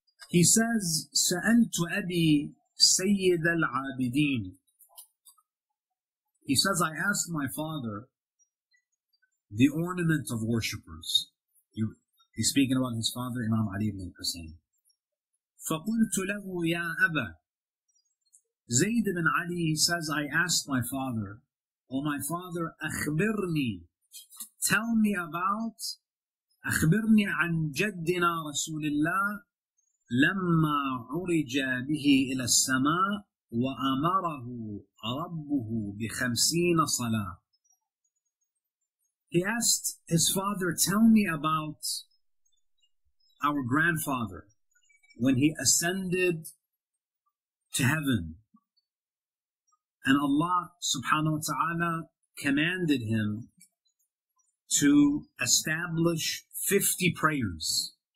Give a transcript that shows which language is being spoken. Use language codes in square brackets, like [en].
[en] He says, [ar] سَأَلْتُ أَبِي سَيِّدَ الْعَابِدِينَ, [en] he says, I asked my father, the ornament of worshippers. He's speaking about his father, Imam Ali ibn Hussein. [ar] فَقُلْتُ لَهُ يَا أَبَى, Zayd ibn Ali, [en] he says, I asked my father, [ar] oh my father, أَخْبِرْنِي, [en] tell me about, [ar] أَخْبِرْنِي عَنْ جَدِّنَا رَسُولِ اللَّهِ لَمَّا عُرِجَ بِهِ إِلَى السَّمَاءِ وَأَمَرَهُ رَبُّهُ بِخَمْسِينَ صَلَاةً. [en] He asked his father, tell me about our grandfather when he ascended to heaven and Allah subhanahu wa ta'ala commanded him to establish 50 prayers.